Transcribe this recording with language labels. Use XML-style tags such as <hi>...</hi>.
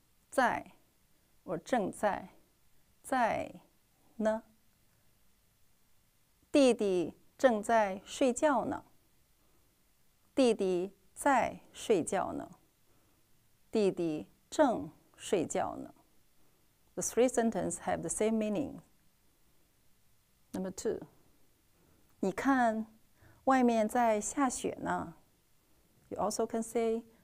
<zh>在，我正在，在呢。弟弟。正在睡觉呢，弟弟在睡觉呢，弟弟正睡觉呢。</zh> <en>The three sentences have the same meaning. Number two.</en> <zh>你看，外面在下雪呢。</zh> <en>You also can say,</en>